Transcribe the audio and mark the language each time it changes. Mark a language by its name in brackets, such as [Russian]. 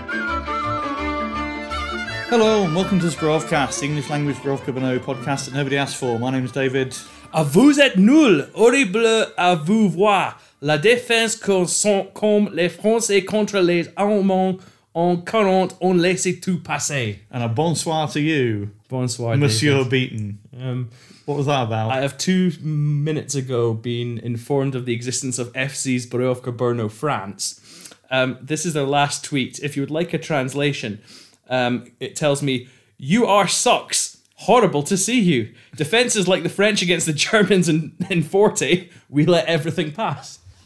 [English] Hello and welcome to Sprovcast, English language Sprovcabano podcast that nobody asked for. My name is David. [French] A vous êtes nul, horrible à vous voir. La défense comme les Français contre les Allemands en 40 on laissé tout passer. [English] And a bonsoir to you. [French] Bonsoir, Monsieur David. [English] Beaton. What was that about? I have 2 minutes ago been informed of the existence of FC Sprovcabano France. This is their last tweet. If you would like a translation, it tells me, "You are sucks. Horrible to see you. Defenses like the French against the Germans in 40, we let everything pass."